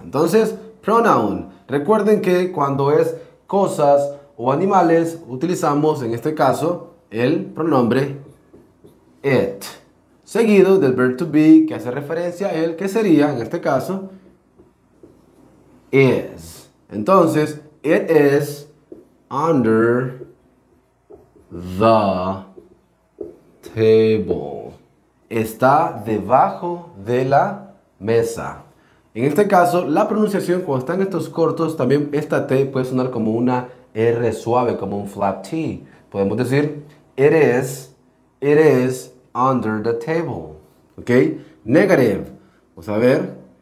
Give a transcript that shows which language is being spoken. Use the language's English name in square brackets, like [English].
[Spanish] Entonces, pronoun. Recuerden que cuando es cosas o animales, utilizamos en este caso el pronombre it, seguido del verb to be, que hace referencia a él, que sería, en este caso, is. [English] Entonces, it is under the table. [Spanish] Está debajo de la mesa. En este caso, la pronunciación, cuando están estos cortos, también esta T puede sonar como una R suave, como un flap T. Podemos decir, [English] it is under the table. [Spanish] ¿Ok? Negative. Vamos a ver.